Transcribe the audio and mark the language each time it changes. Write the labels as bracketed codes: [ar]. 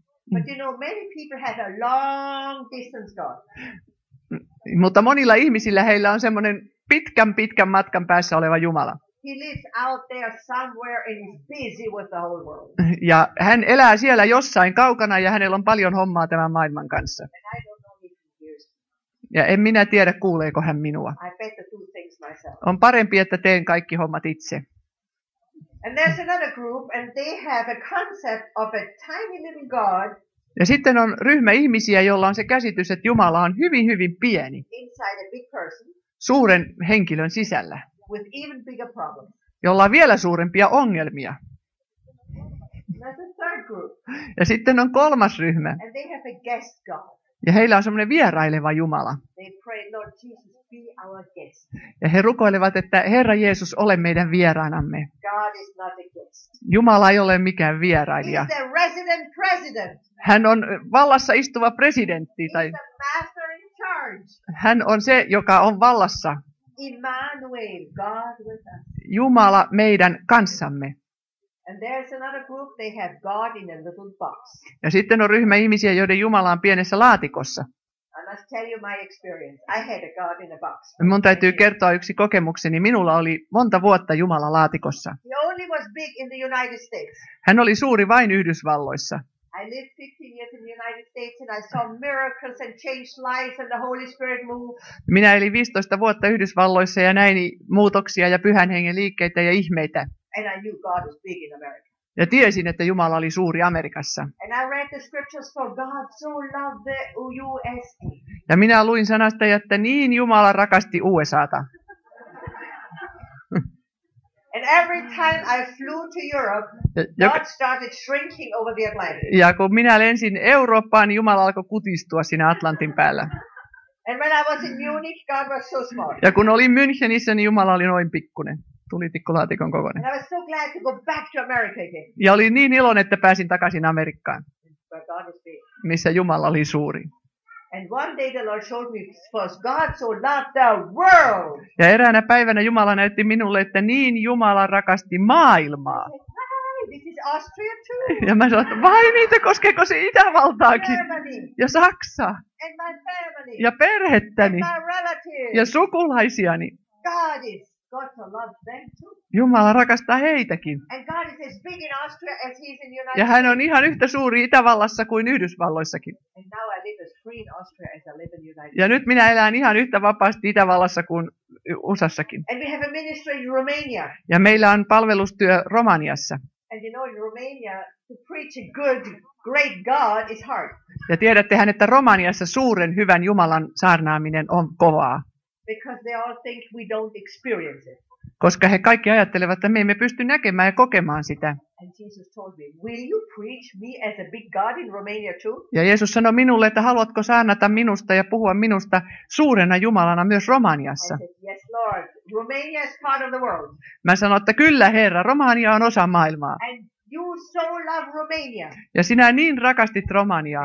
[en] But you know, many people have a long distance God. [fi] Mutta monilla ihmisillä heillä on semmoinen pitkän matkan päässä oleva Jumala. [en] He lives out there somewhere and is busy with the whole world. [fi] Ja hän elää siellä jossain kaukana ja hänellä on paljon hommaa tämän maailman kanssa. [en] And I don't know if he hears. [fi] Ja en minä tiedä, kuuleeko hän minua. [en] I better do things myself. [fi] On parempi, että teen kaikki hommat itse. [en] And there's another group and they have a concept of a tiny little God. [fi] Ja sitten on ryhmä ihmisiä, jolla on se käsitys, että Jumala on hyvin hyvin pieni. [en] Inside a big person. [fi] Suuren henkilön sisällä. [en] With even bigger problems. [fi] Jolla on vielä suurempia ongelmia. [en] That's a third group. [fi] Ja sitten on kolmas ryhmä. [en] And they have a guest God. [fi] Ja heillä on semmoinen vieraileva Jumala. [en] They pray, Lord Jesus, be our guest. [fi] Ja he rukoilevat, että Herra Jeesus, ole meidän vieraanamme. [en] God is not a guest. [fi] Jumala ei ole mikään vierailija. [en] He's the resident president. [fi] Hän on vallassa istuva presidentti. [en] He's the master in charge. [fi] Hän on se, joka on vallassa. [en] Immanuel, God with us. [fi] Jumala meidän kanssamme. [en] And there's another group, they have God in a little box. [fi] Ja sitten on ryhmä ihmisiä, joiden Jumala on pienessä laatikossa. [en] I must tell you my experience. I had a God in a box. [fi] Mun täytyy kertoa yksi kokemukseni. Minulla oli monta vuotta Jumala laatikossa. [en] He only was big in the United States. [fi] Hän oli suuri vain Yhdysvalloissa. [en] I lived 15 years in the United States and I saw miracles and changed lives and the Holy Spirit moved. [fi] Minä elin 15 vuotta Yhdysvalloissa ja näin muutoksia ja Pyhän Hengen liikkeitä ja ihmeitä. [en] And I knew God was big in America. [fi] Ja tiesin, että Jumala oli suuri Amerikassa. [en] And I read the scriptures for God so loved the USA. [fi] Ja minä luin sanasta, että niin Jumala rakasti USA:ta. [en] And every time I flew to Europe, God started shrinking over the Atlantic. [fi] Ja kun minä lensin Eurooppaan, Jumala alkoi kutistua siinä Atlantin päällä. [en] And when I was in Munich, God was so small. [fi] Ja kun olin Münchenissä, niin Jumala oli noin pikkuinen. tulitikkulaatikon kokoinen. [en] And I was so glad to go back to America again. [fi] Ja olin niin iloinen, että pääsin takaisin Amerikkaan, missä Jumala oli suuri. [en] And one day the Lord showed me, first God so loved the world. [fi] Ja eräänä päivänä Jumala näytti minulle, että niin Jumala rakasti maailmaa. [en] Austria too. [fi] Ja mä sanoin, vai niitä, koskeeko se Itävaltaakin? Ja Saksa. [en] And my family. [fi] Ja perhettäni. [en] And my relatives. [fi] Ja sukulaisiani. [en] God is, God so loves them too. [fi] Jumala rakastaa heitäkin. [en] And God is as big in Austria as he is in the United. [fi] Ja hän on ihan yhtä suuri Itävallassa kuin Yhdysvalloissakin. [en] And now I live as free in Austria as I live in the United. [fi] Ja nyt minä elän ihan yhtä vapaasti Itävallassa kuin USAssakin. [en] And we have a ministry in Romania. [fi] Ja meillä on palvelustyö Romaniassa. [en] And you know, in Romania, to preach a good, great God is hard. [fi] Ja tiedättehän, että Romaniassa suuren, hyvän Jumalan saarnaaminen on kovaa. [en] Because they all think we don't experience it. [fi] Koska he kaikki ajattelevat, että me emme pysty näkemään ja kokemaan sitä. [en] And Jesus told me, will you preach me as a big God in Romania too? [fi] Ja Jeesus sanoi minulle, että haluatko saarnata minusta ja puhua minusta suurena Jumalana myös Romaniassa. [en] I said, yes, Lord. Romania is part of the world. [fi] Mä sanoin, että kyllä Herra, Romania on osa maailmaa. [en] And you so love Romania. [fi] Ja sinä niin rakastit Romaniaa.